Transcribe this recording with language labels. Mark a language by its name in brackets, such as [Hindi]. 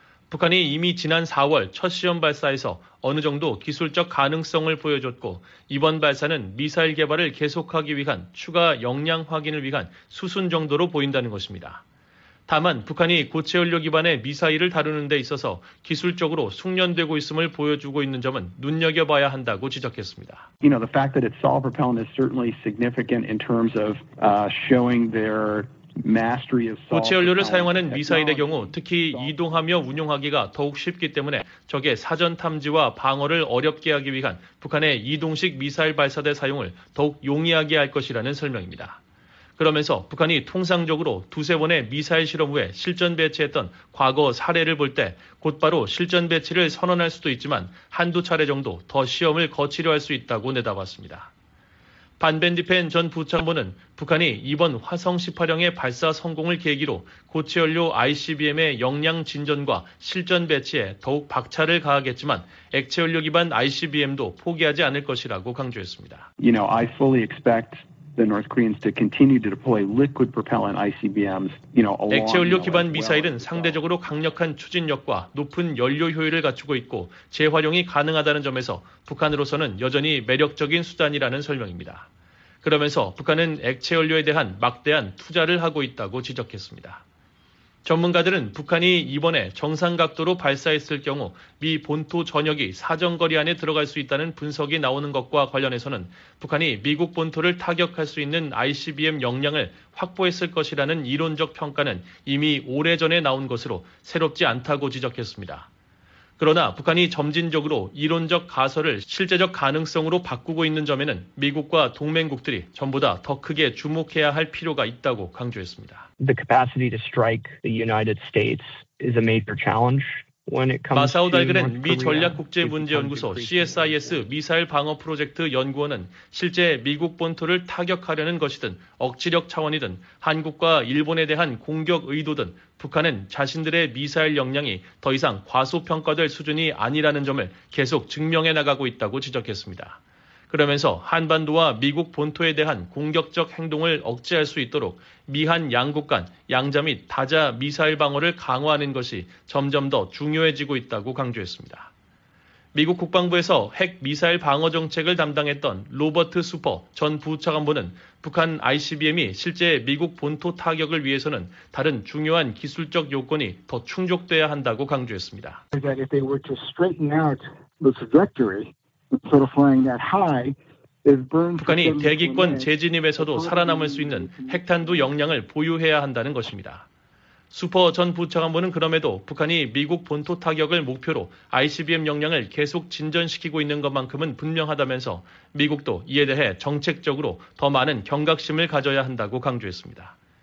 [Korean] 북한이 이미 지난 4월 첫 시험 발사에서 어느 정도 기술적 가능성을 보여줬고 이번 발사는 미사일 개발을 계속하기 위한 추가 역량 확인을 위한 수순 정도로 보인다는 것입니다. 다만 북한이 고체 연료 기반의 미사일을 다루는 데 있어서 기술적으로 숙련되고 있음을 보여주고 있는 점은 눈여겨봐야 한다고 지적했습니다. [English] You know, the fact that it's solid propellant is certainly significant in terms of showing their [Korean] 고체 연료를 사용하는 미사일의 경우 특히 이동하며 운용하기가 더욱 쉽기 때문에 적의 사전 탐지와 방어를 어렵게 하기 위한 북한의 이동식 미사일 발사대 사용을 더욱 용이하게 할 것이라는 설명입니다. 그러면서 북한이 통상적으로 두세 번의 미사일 실험 후에 실전 배치했던 과거 사례를 볼 때 곧바로 실전 배치를 선언할 수도 있지만 한두 차례 정도 더 시험을 거치려 할 수 있다고 내다봤습니다. 반 벤디펜 전 부참보는 북한이 이번 화성 18형의 발사 성공을 계기로 고체연료 ICBM의 역량 진전과 실전 배치에 더욱 박차를 가하겠지만 액체연료 기반 ICBM도 포기하지 않을 것이라고 강조했습니다. [English] You know, I fully expect the North Koreans to continue to deploy liquid propellant ICBMs. You know, [Korean] 액체연료 기반 미사일은 상대적으로 강력한 추진력과 높은 연료 효율을 갖추고 있고 재활용이 가능하다는 점에서 북한으로서는 여전히 매력적인 수단이라는 설명입니다. 그러면서 북한은 액체연료에 대한 막대한 투자를 하고 있다고 지적했습니다. 전문가들은 북한이 이번에 정상각도로 발사했을 경우 미 본토 전역이 사정거리 안에 들어갈 수 있다는 분석이 나오는 것과 관련해서는 북한이 미국 본토를 타격할 수 있는 ICBM 역량을 확보했을 것이라는 이론적 평가는 이미 오래전에 나온 것으로 새롭지 않다고 지적했습니다. 그러나 북한이 점진적으로 이론적 가설을 실제적 가능성으로 바꾸고 있는 점에는 미국과 동맹국들이 전보다 더 크게 주목해야 할 필요가 있다고 강조했습니다. [English] The capacity to strike the United States is a major challenge. [Korean] 마사우 달그렌 미 전략국제문제연구소 CSIS 미사일 방어 프로젝트 연구원은 실제 미국 본토를 타격하려는 것이든 억지력 차원이든 한국과 일본에 대한 공격 의도든 북한은 자신들의 미사일 역량이 더 이상 과소평가될 수준이 아니라는 점을 계속 증명해 나가고 있다고 지적했습니다. 그러면서 한반도와 미국 본토에 대한 공격적 행동을 억제할 수 있도록 미한 양국 간 양자 및 다자 미사일 방어를 강화하는 것이 점점 더 중요해지고 있다고 강조했습니다. 미국 국방부에서 핵 미사일 방어 정책을 담당했던 로버트 슈퍼 전 부차관보는 북한 ICBM이 실제 미국 본토 타격을 위해서는 다른 중요한 기술적 요건이 더 충족돼야 한다고 강조했습니다. [English] If they were to straighten out the trajectory, sort of flying that high. [Korean] 북한이 대기권 재진입에서도 살아남을 수 있는 핵탄두 역량을 보유해야 한다는 것입니다. 슈퍼 전 부차관보는 그럼에도 북한이 미국 본토 타격을 목표로 ICBM 역량을 계속 진전시키고 있는 것만큼은 분명하다면서 미국도 이에 대해 정책적으로 더 많은 경각심을 가져야 한다고 강조했습니다.